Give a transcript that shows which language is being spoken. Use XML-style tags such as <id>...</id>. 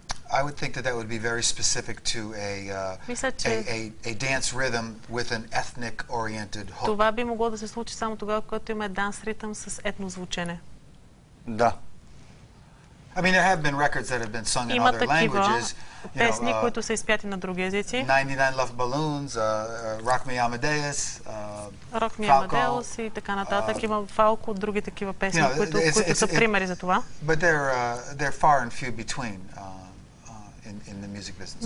<en>I would think that would be very specific to a dance rhythm with an ethnic oriented hook.</en> <bg>Това би могло да се случи само тогава, когато има данс ритъм с етно звучене. Да.</bg> <en>I mean, there have been records that have been sung in other languages.</en> <bg>Песни, които са изпяти на други езици.</bg> <en>99 Love Balloons, Rock Me Amadeus,</en> <bg>Rock Me Amadeus и така нататък. Има Falco, други такива песни, които са примери за това.</bg> <en>But they're far and few between. in the music business.</en>